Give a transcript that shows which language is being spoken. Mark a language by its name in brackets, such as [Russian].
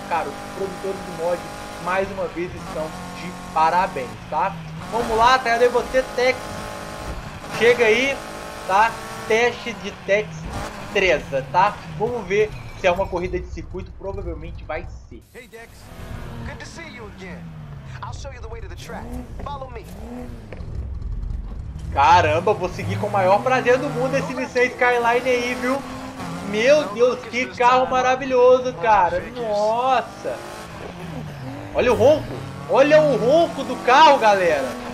[Portuguese] Cara, os produtores de mod, mais uma vez, estão de parabéns, tá? Vamos lá, tá aí você, Tex. Chega aí, tá? Teste de Tex 3, tá? Vamos ver se é uma corrida de circuito, provavelmente vai ser. [English] Hey Dex, good to see you again. I'll show you the way to the track. Follow me. [Portuguese] Caramba, vou seguir com o maior prazer do mundo esse Nissan Skyline aí, viu? Meu Deus, que carro maravilhoso, cara. Nossa! Olha o ronco! Olha o ronco do carro, galera!